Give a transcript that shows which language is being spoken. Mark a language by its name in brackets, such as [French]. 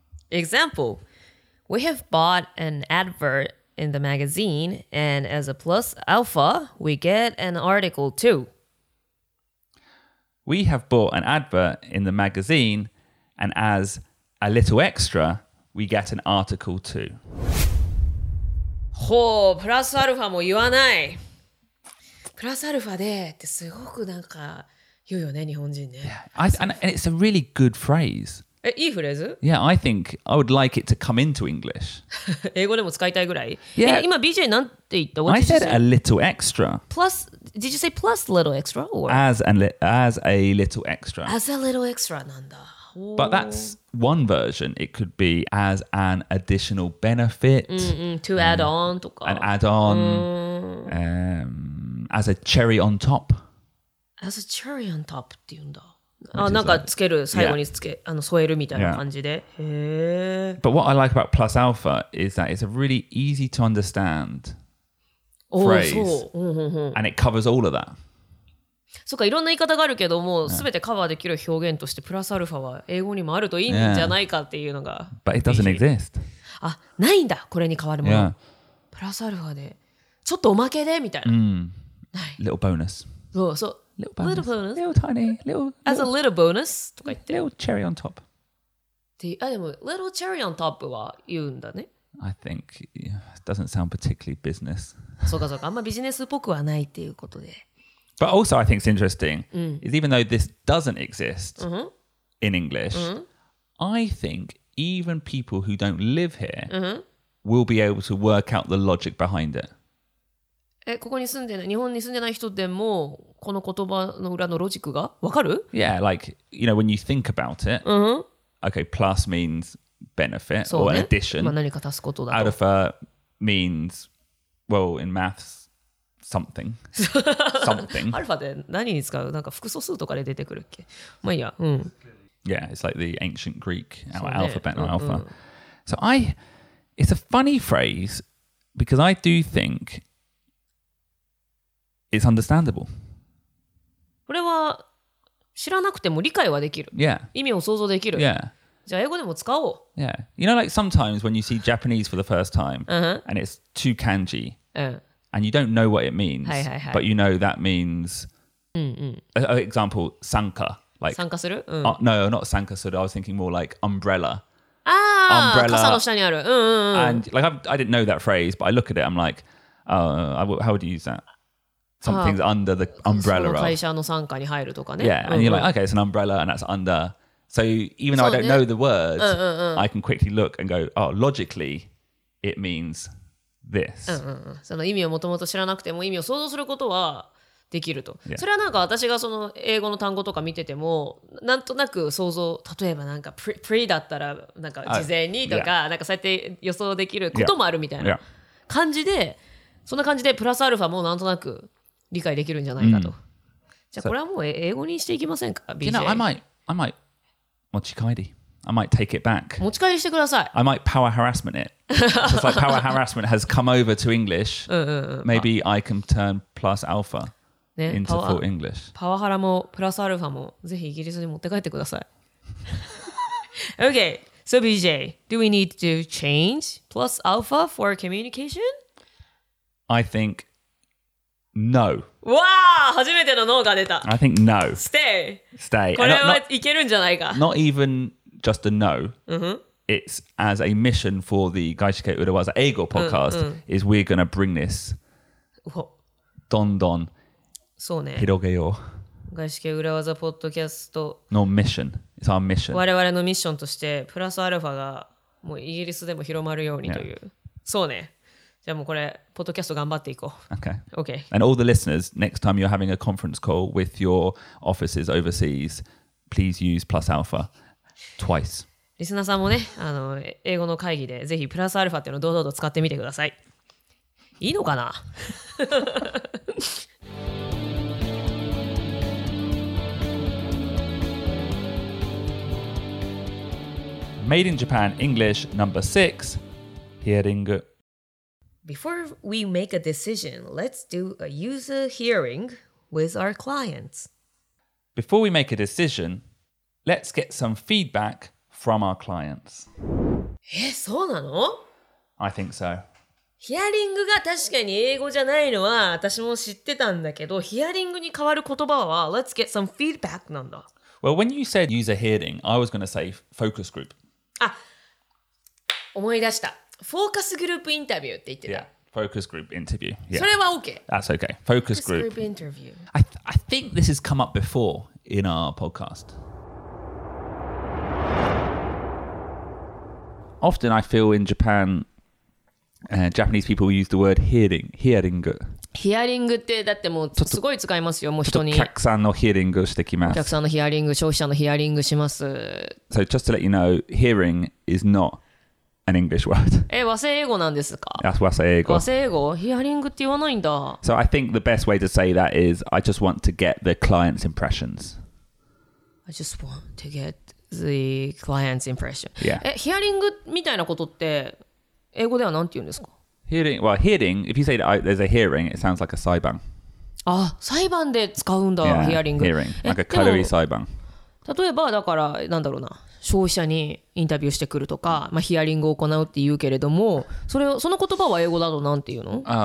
[English] Example, we have bought an advert in the magazine, and as a plus alpha, we get an article too. We have bought an advert in the magazine, and as a little extra, we get an article too. [Japanese] ほう、プラスアルファも言わない。プラスアルファでってすごくなんか言うよね日本人ね。 [English] Yeah, and it's a really good phrase. [Japanese] え、いいフレーズ? [English] Yeah, I think I would like it to come into English. [Japanese] 英語でも使いたいぐらい? [English] Yeah. [Japanese] え、今 BJ なんて言った? [English] What I said a little extra. Plus, did you say plus little extra? Or? As a little extra. As a little extra [Japanese] なんだ。 [English] But that's one version. It could be as an additional benefit. To add on [Japanese] とか。 [English] An add-on. As a cherry on top. As a cherry on top [Japanese] って言うんだ。あ、なんかつける、最後につけ、あの、添えるみたいな感じで。へぇ。 [English] But what I like about plus alpha is that it's a really easy to understand phrase. And it covers all of that. [Japanese] そうか、いろんな言い方があるけども、すべてカバーできる表現としてプラスアルファは英語にもあるといいんじゃないかっていうのが。 [English] But it doesn't exist. [Japanese] あ、ないんだ、これに変わるもの。 [English] Yeah. [Japanese] プラスアルファで、ちょっとおまけでみたいな。 Mm. ない。 [English] Little bonus. [Japanese] そうそう。 [English] Little bonus. Little tiny. Little. As a little bonus [Japanese] とか言って。 [English] Little cherry on top. [Japanese] で、あ、でも、 [English] little cherry on top [Japanese] は言うんだね。 [English] I think it doesn't sound particularly business. [Japanese] そうかそうか、あんまビジネスっぽくはないっていうことで。 [English] But also, I think it's interesting, is even though this doesn't exist in English, I think even people who don't live here will be able to work out the logic behind it. [Japanese] え、ここに住んでない、日本に住んでない人でもこの言葉の裏のロジックがわかる？ [English] Yeah, like, you know, when you think about it,、 mm-hmm. okay, plus means benefit、 [Japanese] ね、 [English] or addition. [Japanese] まあ何か足すことだと。 [English] Alpha means, well, in maths, something. something. [Japanese] アルファで何に使う？なんか複素数とかで出てくるっけ？まあいいや、うん。 [English] Yeah, it's like the ancient Greek, our、ね、alphabet or alpha.、 [Japanese] うんうん、 [English] so I, it's a funny phrase because I do think... It's understandable. [Japanese] これは知らなくても理解はできる。 [English] Yeah. [Japanese] 意味を想像できる。 [English] Yeah. [Japanese] じゃあ英語でも使おう。 [English] Yeah. You know, like sometimes when you see Japanese for the first time, and it's too kanji, and you don't know what it means, [Japanese] はいはい、はい、 [English] but you know that means, an example, 参加, like, [Japanese] 参加する、 [English] うん no, not 参加する, I was thinking more like umbrella. [Japanese] ああ、umbrella. 傘の下にある。うんうんうん、 [English] and like, I didn't know that phrase, but I look at it, I'm like, how would you use that? Something's under the umbrella of. [Japanese] その会社の傘下に入るとかね。 [English] Yeah, and you're like, okay, it's an umbrella and that's under. So even though I don't know the words, I can quickly look and go, oh, logically, it means this. [Japanese] その意味をもともと知らなくても意味を想像することはできると。 [English] Yeah. [Japanese] それはなんか私がその英語の単語とか見てても、なんとなく想像、例えばなんか pre だったらなんか事前にとか、なんかそうやって予想できることもあるみたいな感じで、そんな感じでプラスアルファもなんとなく理解できるんじゃないかと。じゃあこれはもう英語にしていきませんか、BJ? [English] You know, I might [Japanese] 持ち帰り。 [English] I might take it back. [Japanese] 持ち帰りしてください。 [English] I might power harassment it. Just like power harassment has come over to English, maybe I can turn plus alpha into full English. [Japanese] パワハラもプラスアルファもぜひイギリスに持って帰ってください。 [English] Okay, so BJ, do we need to change plus alpha for communication? I think no. [Japanese] Wow! 初めてのノーが出た。 [English] I think no. Stay. Stay. [Japanese] これはいけるんじゃないか。 [English] Not even just a no. It's as a mission for the Gaishike Urawaza Eigo podcast is we're going to bring this [Japanese] どんどん広げよう。 [English] Gaishike Urawaza podcast の mission. It's our mission. [Japanese] 我々のミッションとしてプラスアルファがもうイギリスでも広まるようにという。そうね。でもこれポッドキャスト頑張っていこう。 [English] Okay. Okay. And all the listeners, next time you're having a conference call with your offices overseas, please use plus alpha twice. [Japanese] リスナーさんもね、あの英語の会議でぜひプラスアルファっていうのを堂々と使ってみてください。いいのかな？ [English] Made in Japan English number 6, hearing. Before we make a decision, let's do a user hearing with our clients. Before we make a decision, let's get some feedback from our clients. [Japanese] え、そうなの? [English] I think so. [Japanese] ヒアリングが確かに英語じゃないのは私も知ってたんだけど、ヒアリングに代わる言葉は [English] let's get some feedback [Japanese] なんだ。 [English] Well, when you said user hearing, I was going to say focus group. [Japanese] あ、思い出した。フォーカスグループインタビューって言ってた。 [English] Yeah, focus group interview.、Yeah. [Japanese] それは OK。 [English] That's OK. Focus group. Focus group interview. I think this has come up before in our podcast. Often I feel in Japan,、Japanese people use the word hearing. Hearing. [Japanese] Hearing ってだってもうすごい使いますよ、もう人に。お客さんのヒアリングしてきます。お客さんのヒアリング、消費者のヒアリングします。 [English] So just to let you know, hearing is notAn English word. [Japanese] え、和製英語なんですか? [English] That's 和製英語。 [Japanese] 和製英語?Hearing って言わないんだ。 [English] So I think the best way to say that is I just want to get the client's impressions. I just want to get the client's impression. Yeah. [Japanese] え、Hearing みたいなことって英語ではなんて言うんですか? [English] Hearing, well, hearing, if you say that there's a hearing, it sounds like a 裁判。 [Japanese] あ、裁判で使うんだ、 [English] yeah, hearing。 Hearing, like a cutlery 裁判。 [Japanese] 例えば、だから、なんだろうな。消費者にインタビューしてくるとか、まあ、ヒアリングを行うって言うけれども、それをその言葉は英語だとなんて言うの？